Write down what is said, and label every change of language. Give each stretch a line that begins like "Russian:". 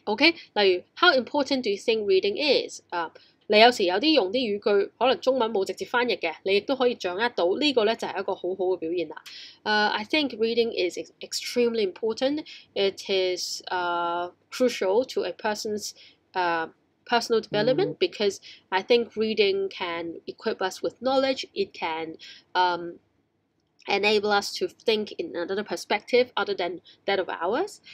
English: OK， 例如 How important do you think reading is？
Cantonese: 你有時有啲用啲語句，可能中文冇直接翻譯嘅，你亦都可以掌握到呢、這個咧，就係一個好好嘅表現啦。
English: I think reading is extremely important. It is crucial to a person's personal development because I think reading can equip us with knowledge. It can enable us to think in another perspective other than that of ours.